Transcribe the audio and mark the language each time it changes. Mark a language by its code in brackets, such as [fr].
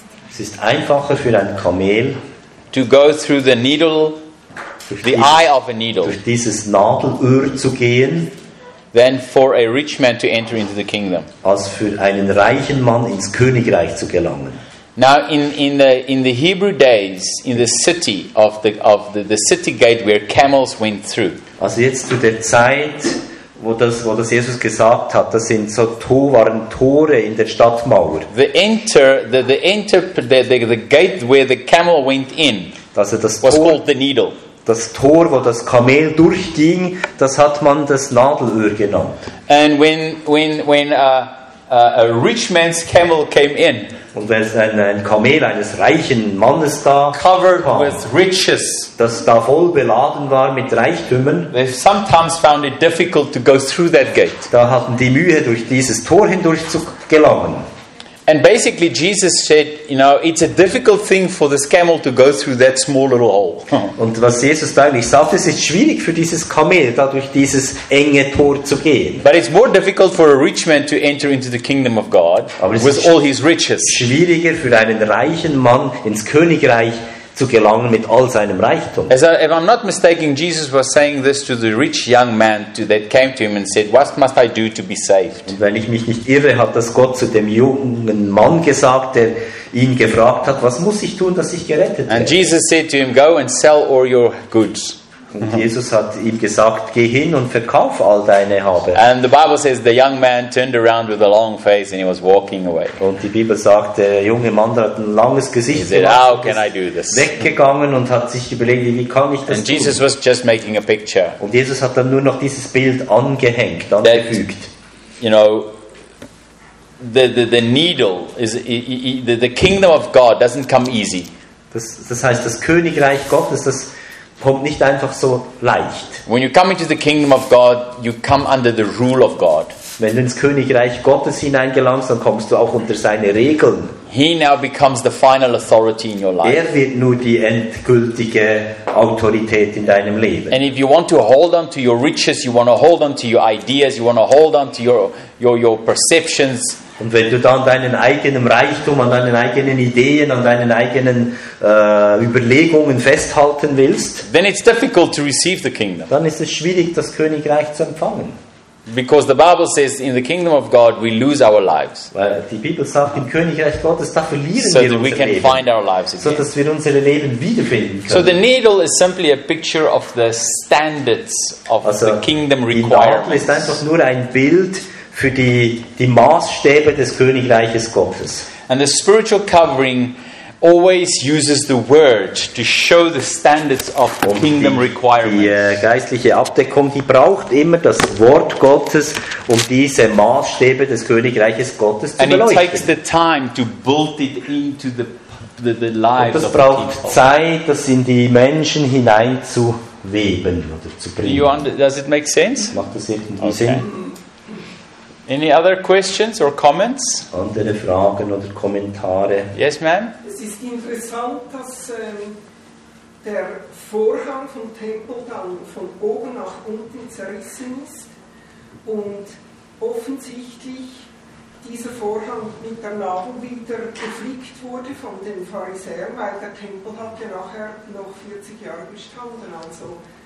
[de] Es ist einfacher für ein Kamel. [en] To go through the needle, the eye of a needle, [de] durch dieses Nadelöhr zu gehen, [en] than for a rich man to enter into the kingdom, [de] als für einen reichen Mann ins Königreich zu gelangen. [en] Now in the Hebrew days, in the city of the city gate where camels went through. [de] Also jetzt zu der Zeit, wo das Jesus gesagt hat, das sind so waren Tore in der Stadtmauer. [en] The gate where the camel went in. [de] Also das was Tor, [en] called the needle. [de] Das Tor, wo das Kamel durchging, das hat man das Nadelöhr genannt. [en] And when a rich man's camel came in. [de] Und wenn ein Kamel eines reichen Mannes da [en] covered [de] kam, [en] with riches, [de] das da voll beladen war mit Reichtümern, [en] they sometimes found it difficult to go through that gate. [de] Da hatten die Mühe, durch dieses Tor hindurch zu gelangen. [en] And basically Jesus said, you know, it's a difficult thing for this camel to go through that small little hole. [de] Und was Jesus da eigentlich sagt, es ist schwierig für dieses Kamel, da durch dieses enge Tor zu gehen. [en] But it's more difficult for a rich man to enter into the kingdom of God with all his riches. [de] Schwieriger für einen reichen Mann ins Königreich zu gelangen mit all seinem Reichtum. [en] If I'm not mistaken, Jesus was saying this to the rich young man that came to him and said, "What must I do to be saved?" [de] Und wenn ich mich nicht irre, hat das Gott zu dem jungen Mann gesagt, der ihn gefragt hat, was muss ich tun, dass ich gerettet werde? [en] And Jesus said to him, "Go and sell all your goods." [de] Und Jesus hat ihm gesagt, geh hin und verkauf all deine Habe. [en] And the Bible says the young man turned around with a long face and he was walking away. [de] Und die Bibel sagt, der junge Mann hat ein langes Gesicht gemacht. [en] He said, "How can I do this?" [de] Weggegangen und hat sich überlegt, wie kann ich das tun? [en] And Jesus was just making a picture. [de] Und Jesus hat dann nur noch dieses Bild angehängt, angefügt. [en] You know, the needle is the kingdom of God doesn't come easy. [de] Das heißt, das Königreich Gottes, das kommt nicht einfach so leicht. [en] When you come into the kingdom of God, you come under the rule of God. [de] Wenn du ins Königreich Gottes hineingelangst, dann kommst du auch unter seine Regeln. [en] He now becomes the final authority in your life. [de] Er wird nur die endgültige Autorität in deinem Leben. [en] And if you want to hold on to your riches, you want to hold on to your ideas, you want to hold on to your perceptions. [de] Und wenn du dann deinen eigenen Reichtum, an deinen eigenen Ideen, an deinen eigenen Überlegungen festhalten willst, [en] then it's difficult to receive the kingdom. [de] Dann ist es schwierig, das Königreich zu empfangen. [en] Because the Bible says, in the kingdom of God, we lose our lives. [de] Weil die Bibel sagt, im Königreich Gottes, da verlieren wir unser Leben. [en] So that we can find our lives again. [de] So dass wir unsere Leben wiederfinden können. [en] So the needle is simply a picture of the standards of the kingdom requirements. [de] Die Nadel ist einfach nur ein Bild für die Maßstäbe des Königreiches Gottes. [en] And the spiritual covering always uses the word to show the standards of the kingdom requirements. [de] Die geistliche Abdeckung, die braucht immer das Wort Gottes, um diese Maßstäbe des Königreiches Gottes zu beleuchten. [en] And it takes the time to build it into the the lives of people. [de] Und das braucht Zeit, das in die Menschen hineinzuweben oder zu bringen. [en] Does it make sense? [de] Macht das irgendwie Sinn? [en] Any other questions or comments? [de] Andere Fragen oder Kommentare? [en] Yes, ma'am. [de] Es ist interessant, dass der Vorhang vom Tempel dann von oben nach unten zerrissen ist und offensichtlich dieser Vorhang mit der Nadel wieder geflickt wurde von den Pharisäern, weil der Tempel hatte nachher noch 40 Jahre bestanden, also